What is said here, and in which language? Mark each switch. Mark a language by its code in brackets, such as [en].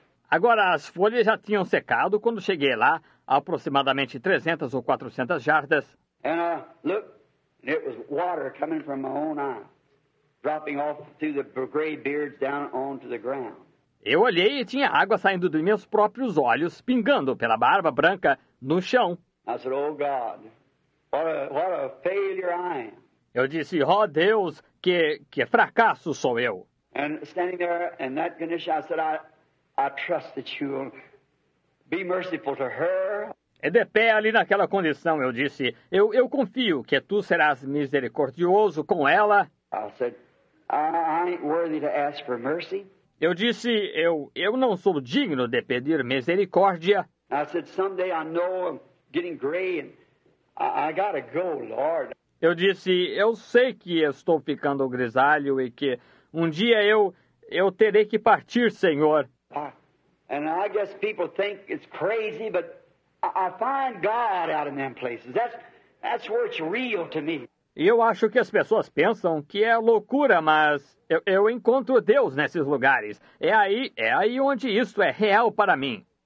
[pt] Agora as folhas já tinham secado quando cheguei lá, aproximadamente 300 ou 400 jardas. [en] And I looked, and it was water coming from my own eye, dropping off through the gray beards down onto the ground. [pt] Eu olhei e tinha água saindo dos meus próprios olhos, pingando pela barba branca no chão. [en] I said, oh God, what a failure I am. [pt] Eu disse, oh Deus, que fracasso sou eu. [en] And standing there in that condition, I said, I trust that you will be merciful to her. [pt] E de pé ali naquela condição, eu disse, eu confio que tu serás misericordioso com ela. [en] I said, I ain't worthy to ask for mercy. [pt] Eu disse, eu não sou digno de pedir misericórdia. [en] I said, someday I know I'm getting gray and I gotta go, Lord. [pt] Eu disse, eu sei que estou ficando grisalho e que um dia eu terei que partir, Senhor. [en] And I guess people think it's crazy, but I find God out in them places. That's where it's real to me. [pt] E eu acho que as pessoas pensam que é loucura, mas eu encontro Deus nesses lugares. É aí onde isso é real para mim.